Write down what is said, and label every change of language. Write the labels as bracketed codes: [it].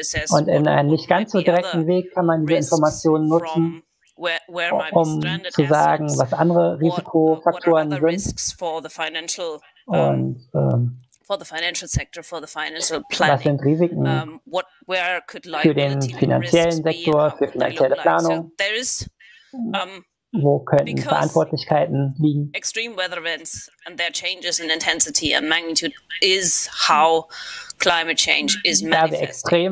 [de] Und in einem nicht ganz so direkten Weg kann man die Informationen nutzen, um zu sagen, was andere Risikofaktoren sind. Und [en] for the financial sector, for the financial planning. [de] Was sind Risiken für den finanziellen Sektor, für finanzielle Planung? Wo könnten Verantwortlichkeiten liegen? [en] Extreme weather events and their changes in intensity and magnitude is how climate change is manifesting.